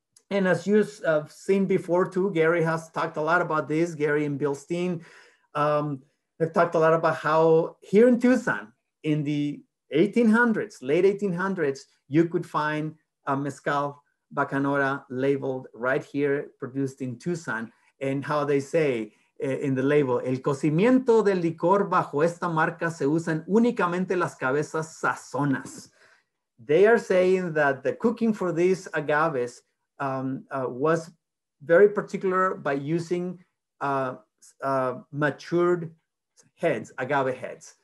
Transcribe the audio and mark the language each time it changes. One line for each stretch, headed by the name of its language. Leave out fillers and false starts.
English: And as you've seen before too, Gary has talked a lot about this, Gary and Bill Steen, have talked a lot about how here in Tucson, in the 1800s, late 1800s, you could find a mezcal Bacanora labeled right here, produced in Tucson. And how they say in the label,
Spanish: el cocimiento del licor bajo esta marca se usan únicamente las cabezas sazonas.
English: They are saying that the cooking for these agaves was very particular by using matured heads, agave heads.